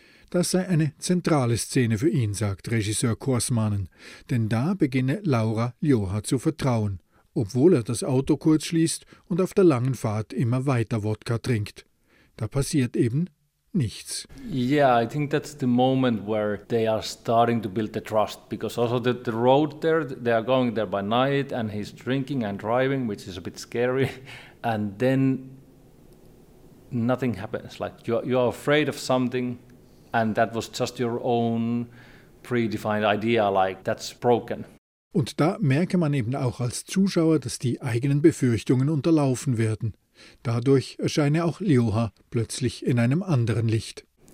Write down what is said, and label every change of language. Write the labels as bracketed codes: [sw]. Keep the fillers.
[de] Das sei eine zentrale Szene für ihn, sagt Regisseur Korsmanen. Denn da beginne Laura Joha zu vertrauen, obwohl er das Auto kurz schließt und auf der langen Fahrt immer weiter Wodka trinkt. Da passiert eben nichts. [en] Yeah, I think that's the moment where they are starting to build the trust because also the, the road there, they are going there by night and he's drinking and driving, which is a bit scary. And then nothing happens. Like you are afraid of something and that was just your own predefined idea like that's broken. [de] Und da merke man eben auch als Zuschauer, dass die eigenen Befürchtungen unterlaufen werden. Dadurch erscheine auch Lioha plötzlich in einem anderen Licht.